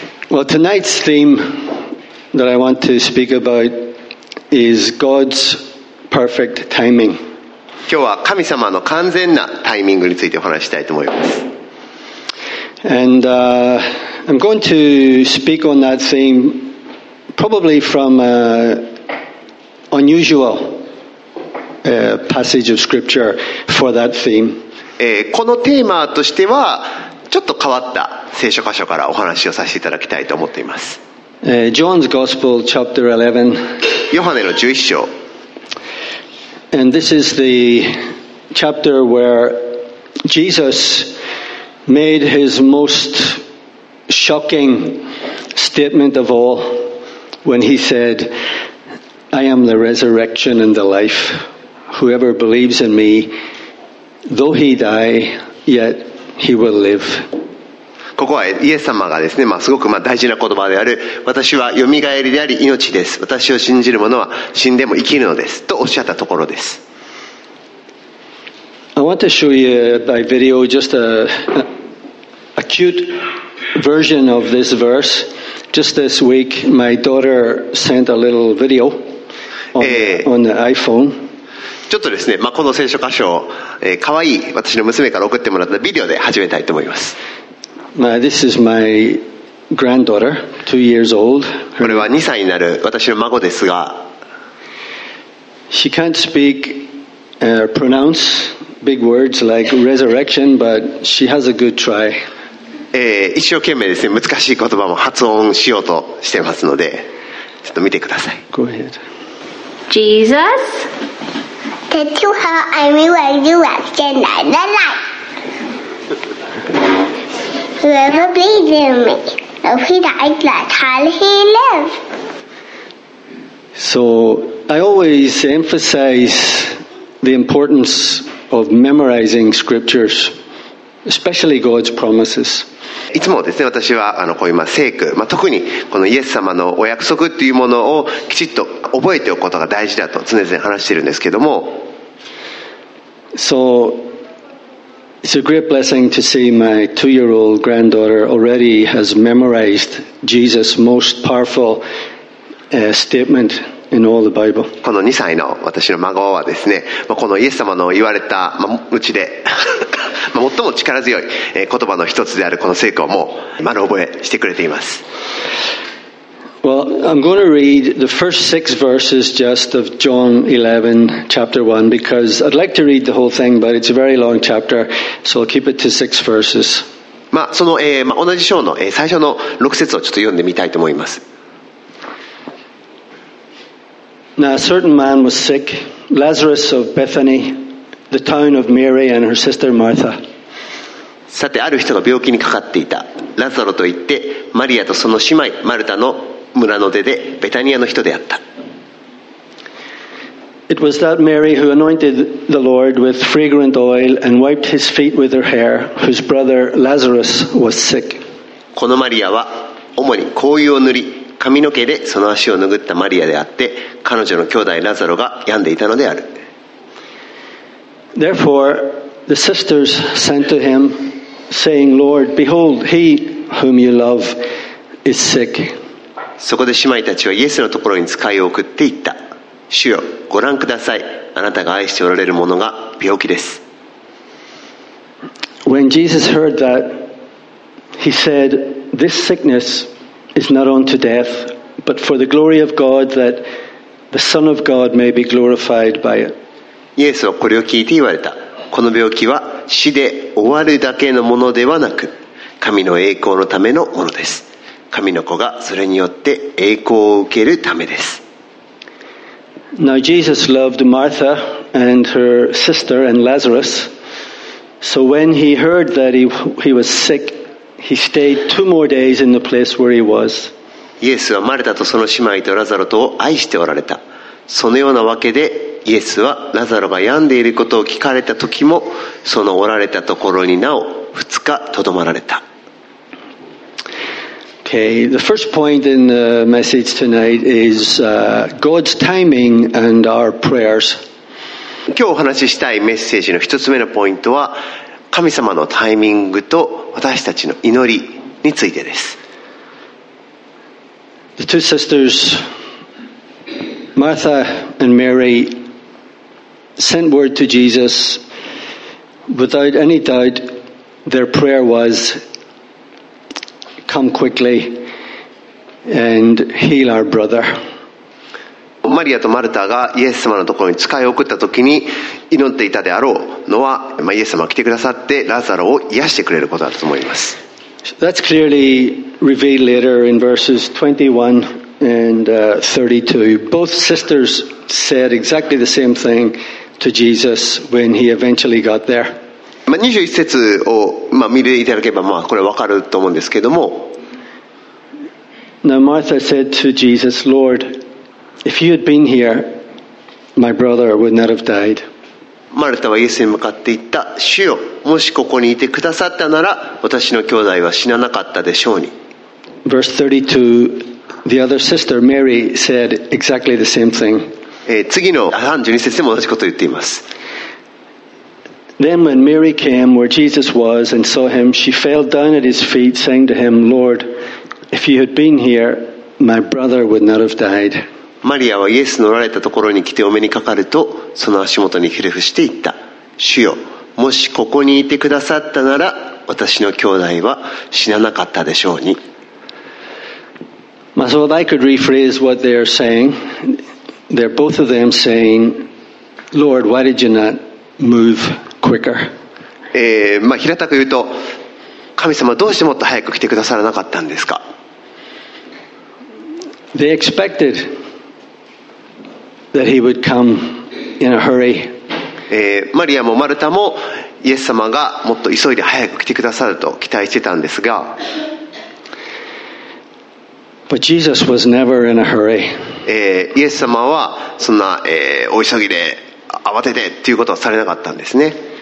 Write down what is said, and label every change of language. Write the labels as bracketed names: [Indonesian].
[English] Well, tonight's theme that I want to speak about is God's perfect timing. [Japanese] 今日は神様の完全なタイミングについてお話したいと思います。 [English] And I'm going to speak on that theme probably from an unusual passage of scripture for that theme. [Japanese] このテーマとしてはちょっと変わった聖書箇所からお話をさせていただきたいと思っています。 [English] John's Gospel, chapter 11. [Japanese] ヨハネの11章。 [English] And this is the chapter where Jesus made his most shocking statement of all when he said, I am the resurrection and the life. Whoever believes in me, though he die, yet he will live. [Japanese] ここはイエス様がですね、すごく大事な言葉である私はよみがえりであり命です、私を信じる者は死んでも生きるのですとおっしゃったところです。 [English] I want to show you by video just a cute version of this verse. Just this week my daughter sent a little video on the iPhone. [Japanese] ちょっとですね、この聖書箇所を、かわいい私の娘から送ってもらったビデオで始めたいと思います。 [English] This is my granddaughter, 2 years old. [Japanese] これは2歳になる私の孫ですが、 [English] she can't speak or pronounce big words like resurrection, but she has a good try. [Japanese] 一生懸命ですね、難しい言葉も発音しようとしてますので、ちょっと見てください。 [English] Go ahead. Jesus, tell you how I will resurrection and the life. Whoever believes in me, if he dies, that's how he lives. So I always emphasize the importance of memorizing scriptures, especially God's promises. [Japanese] いつもですね、私はこういう聖句、特にこのイエス様のお約束っていうものをきちっと覚えておくことが大事だと常々話しているんですけども。 [English] So,It's a great blessing to see my 2-year-old granddaughter already has memorized Jesus' most powerful statement in all the Bible. [Japanese] この2歳の私の孫はですね、このイエス様の言われたうちで最も力強い言葉の一つであるこの聖句をもう丸覚えしてくれています。 [English] Well, I'm going to read the first 6 verses just of John 11, chapter 1, because I'd like to read the whole thing, but it's a very long chapter, so I'll keep it to 6 verses. [Japanese] その、同じ章の、最初の6節をちょっと読んでみたいと思います。 [English] Now, a certain man was sick, Lazarus of Bethany, the town of Mary and her sister Martha. [Japanese] さて、ある人が病気にかかっていた。ラザロといってマリアとその姉妹マルタの村の出でベタニアの人であった。 [English] It was that Mary who anointed the Lord with fragrant oil and wiped his feet with her hair, whose brother Lazarus was sick. [Japanese] このマリアは主に香油を塗り、髪の毛でその足を拭ったマリアであって、彼女の兄弟ラザロが病んでいたのである。 [English] Therefore, the sisters sent to him, saying, Lord, behold, he whom you love is sick. [Japanese] そこで姉妹たちはイエスのところに使いを送っていった。主よ、ご覧ください。あなたが愛しておられるものが病気です。 [English] When Jesus heard that, he said, This sickness is not unto death, but for the glory of God, that the Son of God may be glorified by it. [Japanese] イエスはこれを聞いて言われた。この病気は死で終わるだけのものではなく、神の栄光のためのものです。神の子がそれによって栄光を受けるためです。 [English] Now Jesus loved Martha and her sister and Lazarus. So when he heard that he was sick, he stayed two more days in the place where he was. [Japanese] イエスはマルタとその姉妹とラザロとを愛しておられた。そのようなわけでイエスはラザロが病んでいることを聞かれた時も、そのおられたところになお2日とどまられた。 [English] Okay, the first point in the message tonight is God's timing and our prayers. [Japanese] 今日お話ししたいメッセージの一つ目のポイントは、神様のタイミングと私たちの祈りについてです。 [English] The two sisters, Martha and Mary, sent word to Jesus. Without any doubt, their prayer was,Come quickly and heal our brother. [Japanese] マリアとマルタがイエス様のところに使いを送った時に祈っていたであろうのは、イエス様が来てくださってラザロを癒してくれることだと思います。 [English] That's clearly revealed later in verses 21 and 32. Both sisters said exactly the same thing to Jesus when he eventually got there. [Japanese] まあ、21節を見ていただければ、まあこれは分かると思うんですけども。 [English] Now Martha said to Jesus, Lord, if you had been here, my brother would not have died. [Japanese] マルタはイエスに向かって言った。主よ、もしここにいてくださったなら、私の兄弟は死ななかったでしょうに。 [English] Verse 32, the other sister, Mary, said exactly the same thing. [Japanese] 次の32節でも同じことを言っています。 [English] Then when Mary came where Jesus was and saw him, she fell down at his feet, saying to him, Lord, if you had been here, my brother would not have died. [Japanese] マリアはイエスのおられたところに来てお目にかかると、その足元にひれ伏していった。主よ、もしここにいてくださったなら、私の兄弟は死ななかったでしょうに。 [English] まあ、so I could rephrase what they are saying. They're both of them saying, Lord, why did you not move? Quicker. [Japanese] まあ、平たく言うと、神様どうしてもっと早く来てくださらなかったんですか。 [English] They expected that he would come in a hurry. [Japanese] マリアもマルタもイエス様がもっと急いで早く来てくださると期待してたんですが。 [English] But Jesus was never in a hurry. [Japanese] イエス様はそんな、お急ぎで慌ててっていうことはされなかったんですね。